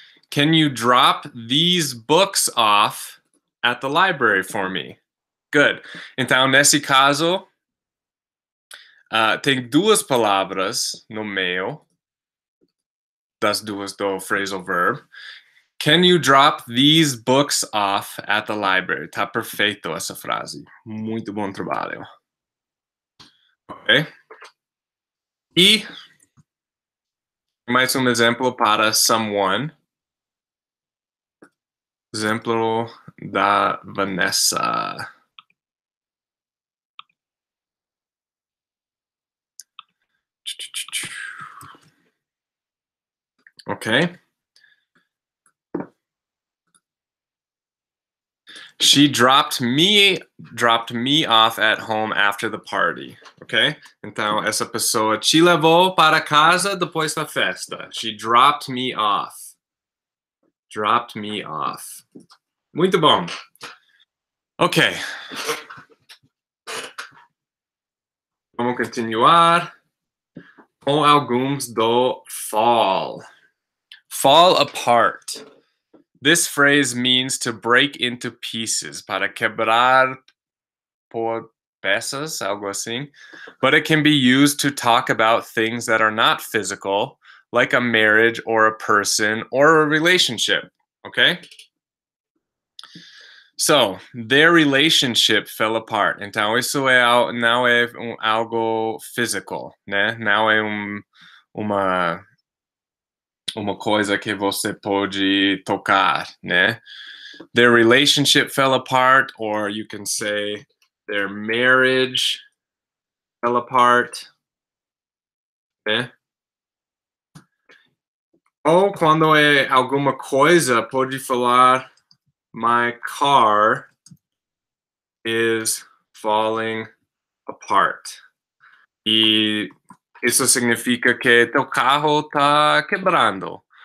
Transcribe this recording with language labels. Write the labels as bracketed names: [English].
[English] Can you drop these books off at the library for me? Good. [Portuguese] Então, nesse caso, tem duas palavras no meio das duas do phrasal verb. [English] Can you drop these books off at the library? [Portuguese] Tá perfeito essa frase. Muito bom trabalho. Ok. E mais um exemplo para someone. Exemplo da Vanessa. Ok. [English] She dropped me off at home after the party. Ok? [Portuguese] Então, essa pessoa te levou para casa depois da festa. [English] She dropped me off. Dropped me off. [Portuguese] Muito bom. [English] Ok. [Portuguese] Vamos continuar. com alguns do fall. [English] Fall apart. This phrase means to break into pieces, [Portuguese] para quebrar por peças, algo assim. [English] But it can be used to talk about things that are not physical, like a marriage or a person or a relationship, okay? So, their relationship fell apart. [Portuguese] Então, isso é, não é algo physical, né? Não é uma coisa que você pode tocar, né? [English] Their relationship fell apart, or you can say their marriage fell apart, né? [Portuguese] Ou quando é alguma coisa, pode falar, [English] my car is falling apart. [Portuguese] E isso significa que teu carro tá quebrando.